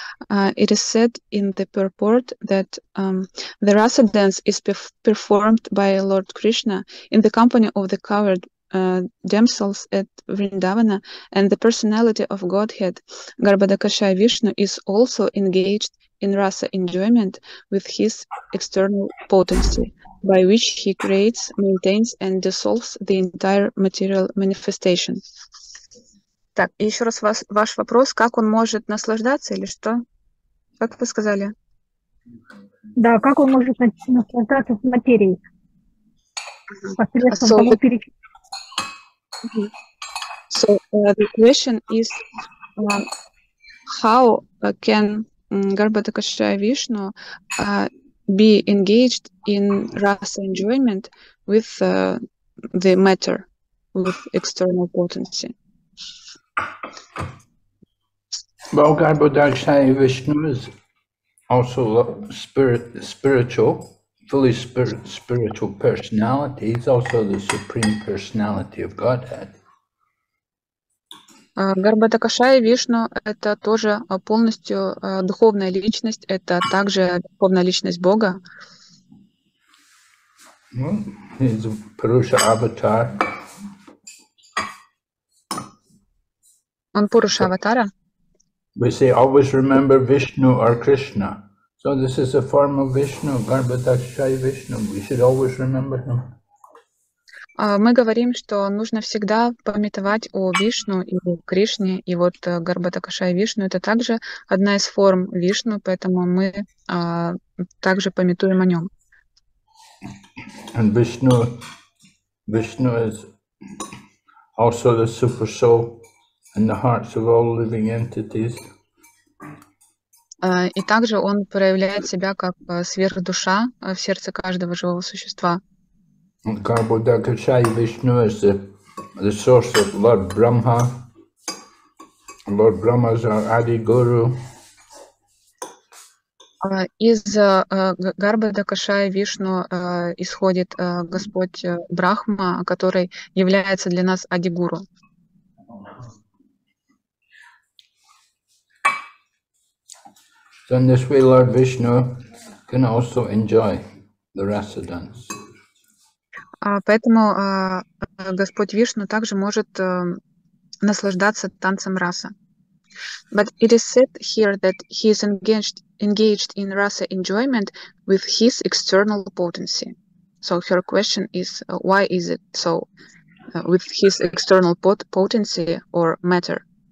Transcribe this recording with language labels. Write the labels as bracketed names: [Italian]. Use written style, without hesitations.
[English] It is said in the purport that the rasa dance is performed by Lord Krishna in the company of the covered damsels at Vrindavana, and the personality of Godhead, Garbhadakshaya Vishnu, is also engaged in rasa enjoyment with his external potency, by which he creates, maintains, and dissolves the entire material manifestation. [Russian] Так, еще раз ваш вопрос, как он может наслаждаться или что? Как вы сказали? Да, как он может наслаждаться с материей? Посредством того перечисления. [English] So, the question is, how can Garbhadakshaya Vishnu be engaged in rasa enjoyment with the matter, with external potency? Well, Garbhadakshaya Vishnu is also a spiritual, fully spiritual personality. He's also the supreme personality of Godhead. [Russian] Garbhadakshaya Vishnu – это тоже полностью духовная личность. Это также духовная личность Бога. [English] Well, he's a Purusha avatar. [Russian] Он Пуруша аватара. [English] We say always remember Vishnu or Krishna. So this is a form of Vishnu, Garbhadakshaya Vishnu. We should always remember him. [Russian] Мы говорим, что нужно всегда памятовать о Вишну и о Кришне. И вот Гарбхадакшая Вишну – это также одна из форм Вишну, поэтому мы также памятуем о нем. [English] And Vishnu, Vishnu is also the super soul in the hearts of all living entities. [Russian] И также он проявляет себя как сверхдуша в сердце каждого живого существа. [English] Garbhadakshaya Vishnu is the source of Lord Brahma. Lord Brahma is our Adi Guru. [Russian] Из Garbhadakshaya Vishnu исходит Господь Брахма, который является для нас Ади Гуру. [English] So in this way, Lord Vishnu can also enjoy the rasa dance. [Russian] Поэтому Господь Вишну также может наслаждаться танцем раса. [English] But it is said here that he is engaged in rasa enjoyment with his external potency. So her question is, why is it so? With his external potency or matter?